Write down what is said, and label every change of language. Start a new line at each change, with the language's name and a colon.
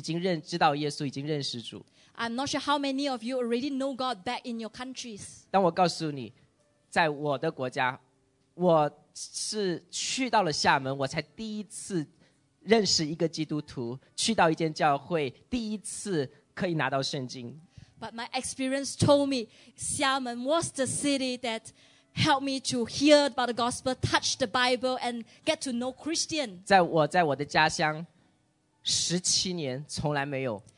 Chinese: 我不知道你们当中有多少人是在你们的国家就已经认识到耶稣，已经认识主。
English: I'm not sure how many of you already know God back in your countries.
Chinese: 但我告诉你, 在我的国家, 我是去到了厦门, 我才第一次认识一个基督徒, 去到一间教会, 第一次可以拿到圣经。
English: But my experience told me, 厦门 was the city that help me to hear about the gospel, touch the Bible, and get to know Christian.
Chinese: 在我的家乡, 17年, 从来没有